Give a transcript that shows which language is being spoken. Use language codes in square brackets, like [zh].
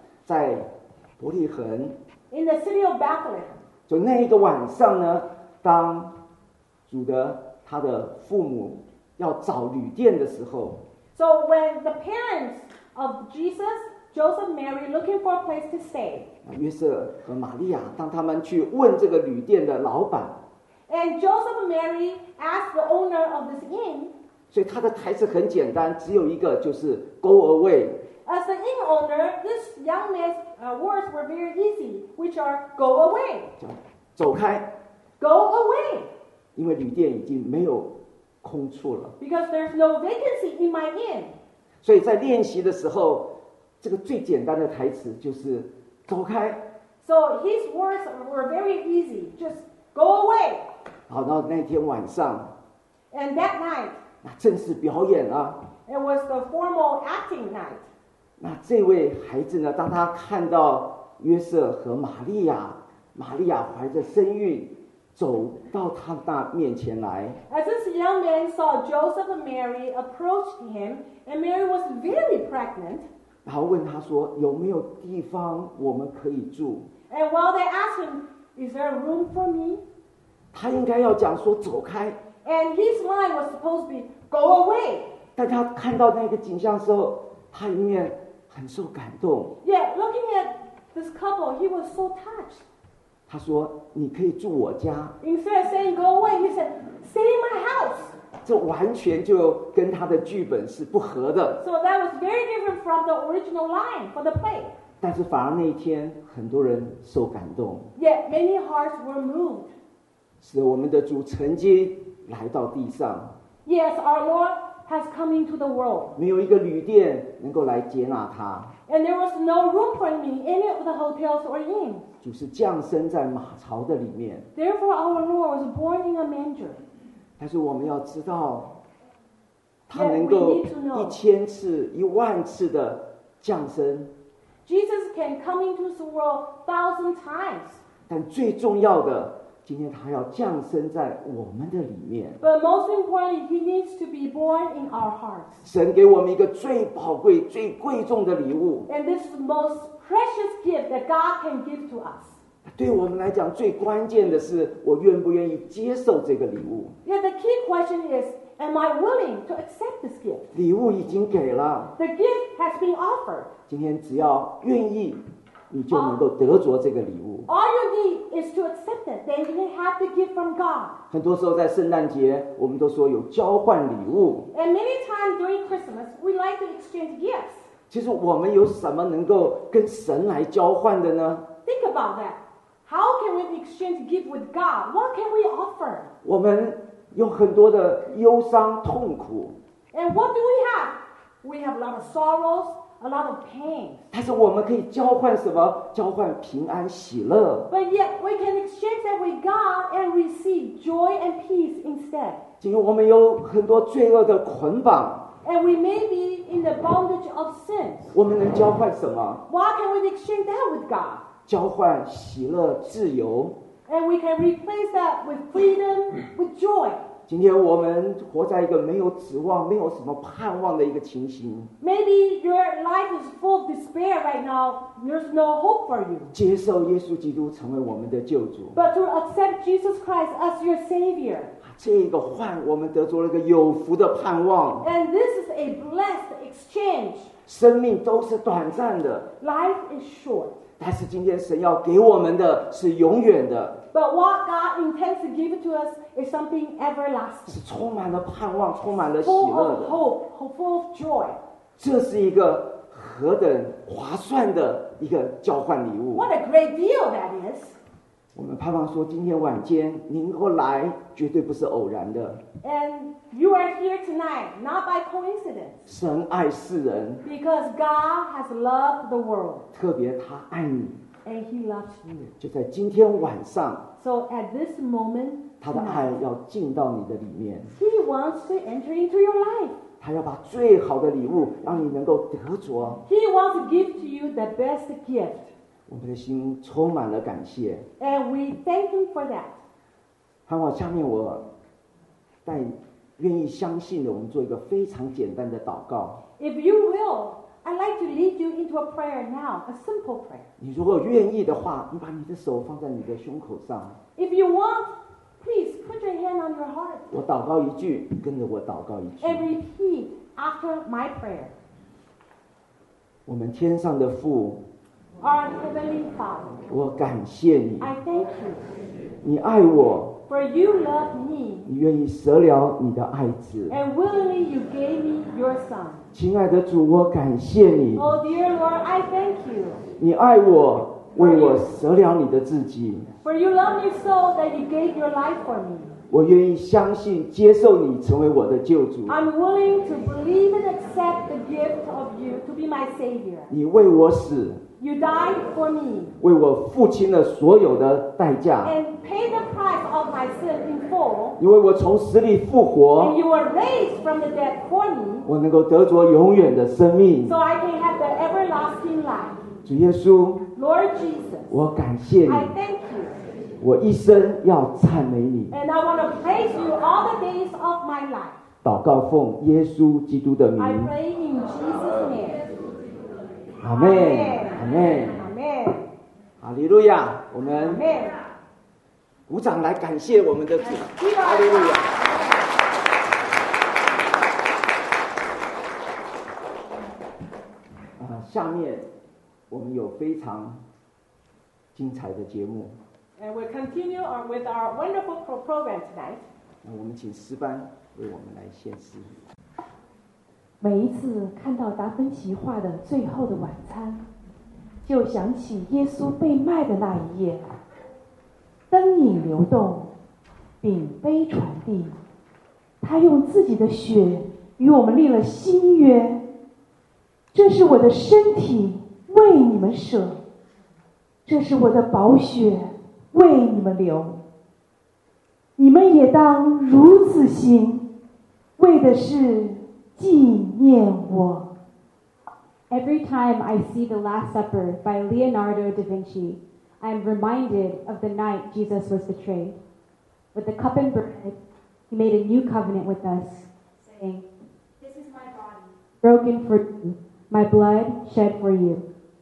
[zh] 在伯利恒。 [en] In the city of Bethlehem. [zh] 就那一个晚上呢，当主的他的父母要找旅店的时候。 [en] So when the parents of Jesus, Joseph, Mary, looking for a place to stay. [zh] 约瑟和玛利亚，当他们去问这个旅店的老板。 [en] And Joseph and Mary asked the owner of this inn. [zh] 所以他的台词很简单，只有一个，就是 [en] go away. As the inn owner, this young man's words were very easy, which are go away. [zh] 走开。 [en] Go away. [zh] 因为旅店已经没有空处了。 [en] Because there's no vacancy in my inn. [zh] 所以在练习的时候，这个最简单的台词就是走开。 [en] So his words were very easy, just go away. [zh] 好，然后那天晚上。 [en] And that night. [zh] 那正式表演了。 [en] It was the formal acting night. [zh] 那这位孩子呢？当他看到约瑟和玛利亚，玛利亚怀着身孕走到他那面前来。 [en] As this young man saw Joseph and Mary approached him, and Mary was very pregnant. [zh] 然后问他说：“有没有地方我们可以住？” [en] And while they asked him, "Is there a room for me?" [zh] 他应该要讲说：“走开。” [en] And his line was supposed to be, "Go away." [zh] 但他看到那个景象的时候，他一面很受感动。 [en] Yeah, looking at this couple, he was so touched. [zh] 他说：“你可以住我家。” [en] Instead of saying, "Go away," he said, "Stay in my house." [zh] 这完全就跟他的剧本是不合的。 [en] So that was very different from the original line for the play. [zh] 但是反而那一天很多人受感动。 [en] Yet many hearts were moved. [zh] 使我们的主曾经来到地上。 [en] Yes, our Lord has come into the world. [zh] 没有一个旅店能够来接纳他。 [en] And there was no room for him in any of the hotels or inns. [zh] 主是降生在马槽的里面。 [en] Therefore, our Lord was born in a manger. [zh] 但是我们要知道，他能够一千次、一万次的降生。 [en] Jesus can come into this world 1,000 times. [zh] 但最重要的，今天他要降生在我们的里面。 [en] But most importantly, he needs to be born in our hearts. [zh] 神给我们一个最宝贵、最贵重的礼物。 [en] And this is the most precious gift that God can give to us. [zh] 对我们来讲，最关键的是，我愿不愿意接受这个礼物。 [en] Yeah, the key question is, am I willing to accept this gift? [zh] 礼物已经给了。 [en] The gift has been offered. [zh] 今天只要愿意，你就能够得着这个礼物。 [en] All you need is to accept it. Then you have the gift from God. [zh] 很多时候在圣诞节，我们都说有交换礼物。 [en] And many times during Christmas, we like to exchange gifts. [zh] 其实我们有什么能够跟神来交换的呢？ [en] Think about that. How can we exchange gift with God? What can we offer? [zh] 我们有很多的忧伤痛苦。 [en] And what do we have? We have a lot of sorrows. A lot of pain. [zh] 但是我们可以交换什么？交换平安喜乐。 [en] But yet we can exchange that with God and receive joy and peace instead. [zh] 因为我们有很多罪恶的捆绑。 [en] And we may be in the bondage of sin. [zh] 我们能交换什么？ [en] Why can we exchange that with God? [zh] 交换喜乐自由。 [en] And we can replace that with freedom, with joy. [zh] 今天我们活在一个没有指望、没有什么盼望的一个情形。 [en] Maybe your life is full of despair right now. There's no hope for you. [zh] 接受耶稣基督成为我们的救主。 [en] But to accept Jesus Christ as your Savior. [zh] 这个换我们得着了一个有福的盼望。 [en] And this is a blessed exchange. [zh] 生命都是短暂的。 [en] Life is short. [zh] 但是今天神要给我们的是永远的。 [en] But what God intends to give to us is something everlasting. [zh] 是充满了盼望，充满了喜乐的。 [en] Full of hope, full of joy. [zh] 这是一个何等划算的一个交换礼物。 [en] What a great deal that is. [zh] 我们盼望说，今天晚间您过来，绝对不是偶然的。 [en] And you are here tonight, not by coincidence. [zh] 神爱世人。 [en] Because God has loved the world. [zh] 特别他爱你。 [en] And he loves you. [zh] 就在今天晚上。 [en] So at this moment, [zh] 他的爱要进到你的里面。 [en] He wants to enter into your life. [zh] 他要把最好的礼物让你能够得着。 [en] He wants to give to you the best gift. [zh] 我们的心充满了感谢。 [en] And we thank him for that. [zh] 盼望下面我带愿意相信的，我们做一个非常简单的祷告。 [en] If you will. I'd like to lead you into a prayer now, a simple prayer. [zh] 你如果愿意的话，你把你的手放在你的胸口上。 [en] If you want, please put your hand on your heart. [zh] 我祷告一句，跟着我祷告一句。 [en] And repeat after my prayer. [zh] 我们天上的父。 [en] Our heavenly Father. [zh] 我感谢你。 [en] I thank you. [zh] 你爱我。 [en] For you love me. [zh] 你愿意舍了你的爱子。 [en] And willingly you gave me your son. [zh] 亲爱的主，我感谢你。 [en] Oh dear Lord, I thank you. [zh] 你爱我，为我舍了你的自己。 [en] For you love me so that you gave your life for me. [zh] 我愿意相信，接受你成为我的救主。 [en] I'm willing to believe and accept the gift. gift of you to be my savior. [zh] 你为我死。 [en] You died for me. [zh] 为我付清了所有的代价。 [en] And pay the price of my sin in full. [zh] 你为我从死里复活。 [en] And you were raised from the dead for me. [zh] 我能够得着永远的生命。 [en] So I can have the everlasting life. [zh] 主耶稣。 [en] Lord Jesus. [zh] 我感谢你。 [en] I thank you. [zh] 我一生要赞美你。 [en] And I want to praise you all the days of my life. [zh] 祷告奉耶稣基督的名。 [en] I pray in Jesus' name. Amen. Amen. Amen. Hallelujah. [zh] 我们鼓掌来感谢我们的主。 [en] Hallelujah. [zh] 下面我们有非常精彩的节目。 [en] And we'll continue on with our wonderful program tonight. [zh] 我们请诗班为我们来献诗。每一次看到达芬奇画的《最后的晚餐》，就想起耶稣被卖的那一夜，灯影流动，饼杯传递，他用自己的血与我们立了新约。这是我的身体为你们舍，这是我的宝血。为你们流，你们也当如此行，为的是纪念我。 [en] Every time I see the Last Supper by Leonardo da Vinci, I am reminded of the night Jesus was betrayed. With the cup and bread, he made a new covenant with us, saying, "This is my body, broken for you, my blood shed for you.